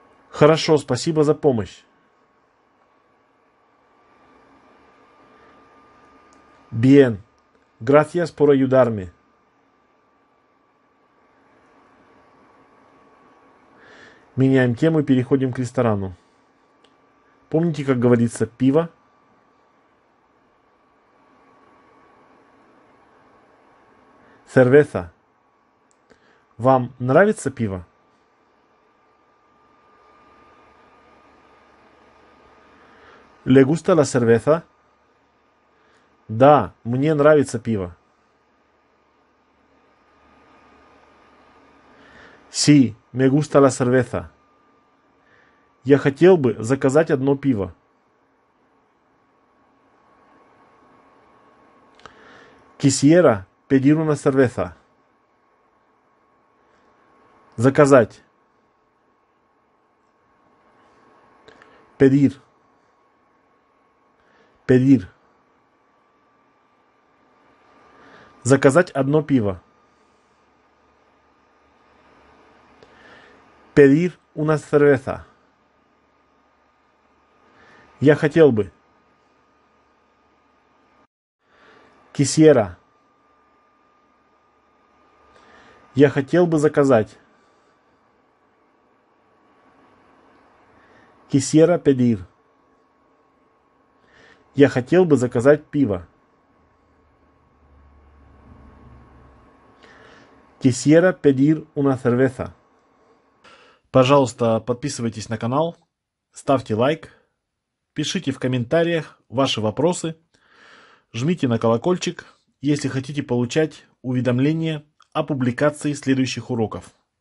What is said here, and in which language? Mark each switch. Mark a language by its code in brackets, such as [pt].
[ru] Хорошо, спасибо за помощь. [es] Bien, gracias por ayudarme. [ru] Меняем тему и переходим к ресторану. Помните, как говорится, пиво? Cerveza. Вам нравится пиво? [es] Le gusta la cerveza? [ru] Да, мне нравится пиво. [es] Sí, me gusta la cerveza. [ru] Я хотел бы заказать одно пиво. [es] Quisiera pedir una cerveza. [ru] Заказать. [es] Pedir. Pedir. [ru] Заказать одно пиво. [es] Pedir una cerveza. [ru] Я хотел бы. [es] Quisiera. [ru] Я хотел бы заказать. [es] Quisiera pedir. [ru] Я хотел бы заказать пиво. [es] Quisiera pedir una cerveza. [ru] Пожалуйста, подписывайтесь на канал, ставьте лайк, пишите в комментариях ваши вопросы, жмите на колокольчик, если хотите получать уведомления о публикации следующих уроков.